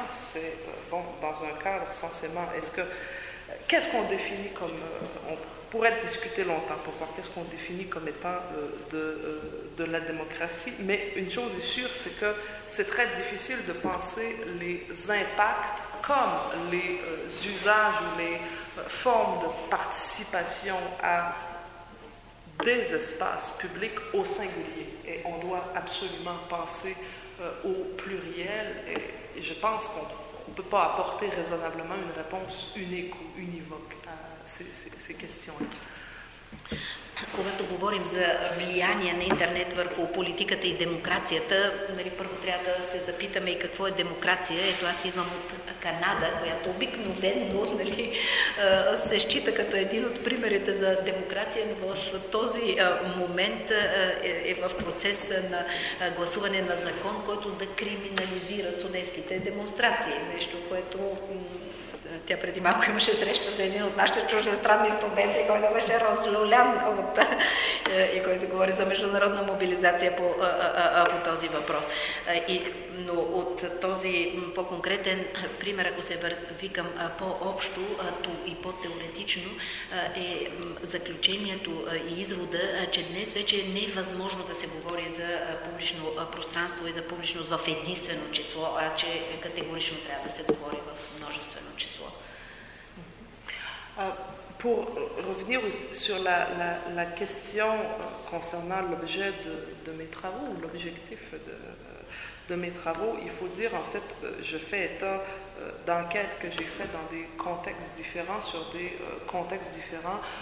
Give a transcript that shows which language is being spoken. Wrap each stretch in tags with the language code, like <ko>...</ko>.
<fr>C'est bon, dans un cadre censément. Qu'est-ce qu'on définit comme on pourrait discuter longtemps pour voir qu'est-ce qu'on définit comme étant de la démocratie, mais une chose est sûre, c'est que c'est très difficile de penser les impacts comme les usages ou les formes de participation à des espaces publics au singulier. Et on doit absolument penser au pluriel, et je pense qu'on ne peut pas apporter raisonnablement une réponse unique ou univoque à ces questions-là.</fr> <bg>Когато говорим за влияние на интернет върху политиката и демокрацията, нали, първо трябва да се запитаме и какво е демокрация. Ето аз идвам от Канада, която обикновено, нали, се счита като един от примерите за демокрация, но в този момент е в процес на гласуване на закон, който да криминализира студентските демонстрации. Нещо, което... Тя преди малко имаше среща за един от нашите чуждестранни студенти, който беше разлюлян от, и който говори за международна мобилизация по този въпрос. Но от този по-конкретен пример, ако се върви към по-общо и по-теоретично, е заключението и извода, че днес вече не е възможно да се говори за публично пространство и за публичност в единствено число, а че категорично трябва да се говори в множествено число.</bg> <fr>Pour revenir sur la question concernant l'objet de mes travaux, l'objectif de mes travaux, il faut dire, en fait, je fais état d'enquêtes que j'ai faites dans des contextes différents, sur des contextes différents.</fr>